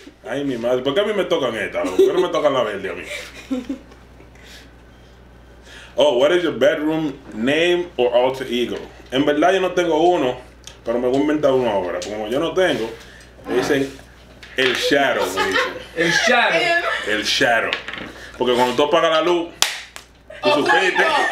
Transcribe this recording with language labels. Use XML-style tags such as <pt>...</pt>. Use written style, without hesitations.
<es>Ay, mi madre, ¿por qué a mí me tocan esta? ¿Por qué no me tocan la verde a mí?</es> <en>Oh, what is your bedroom name or alter ego?</en> <es>En verdad yo no tengo uno, pero me voy a inventar uno ahora. Como yo no tengo, dicen... El Shadow, el Shadow. El Shadow. Porque cuando tú apagas la luz, tú supiste.</es>